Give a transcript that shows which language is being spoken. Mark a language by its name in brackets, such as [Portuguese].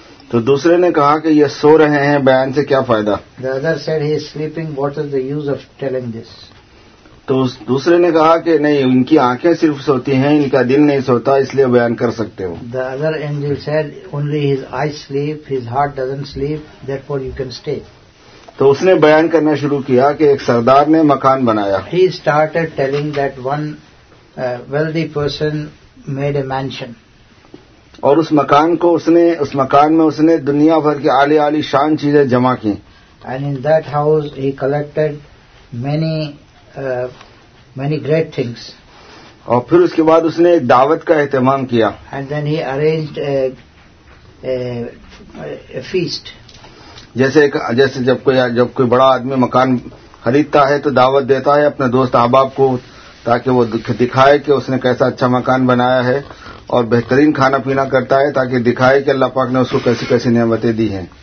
[Urdu] تو دوسرے نے کہا کہ یہ سو رہے ہیں, بیان سے کیا فائدہ. [English] The other said, he is sleeping, what is the use of telling this. [Urdu] تو دوسرے نے کہا کہ نہیں, ان کی آنکھیں صرف سوتی ہیں, ان کا دل نہیں سوتا, اس لیے بیان کر سکتے ہو. [English] The other angel said, only his eyes sleep, his heart doesn't sleep, therefore you can stay. [Urdu] تو اس نے بیان کرنا شروع کیا کہ ایک سردار نے مکان بنایا. [English] He started telling that one wealthy person made a mansion. [Urdu] اور اس مکان میں اس نے دنیا بھر کی عالی عالی شان چیزیں جمع کی. [English] And in that house he collected many many great things. [Urdu] اور پھر اس کے بعد اس نے ایک دعوت کا اہتمام کیا. [English] And then he arranged a feast. [Urdu] جیسے جب کوئی بڑا آدمی مکان خریدتا ہے تو دعوت دیتا ہے اپنے دوست احباب کو تاکہ وہ دکھائے کہ اس نے کیسا اچھا مکان بنایا ہے, اور بہترین کھانا پینا کرتا ہے تاکہ دکھائے کہ اللہ پاک نے اس کو کیسی کیسی نعمتیں دی ہیں.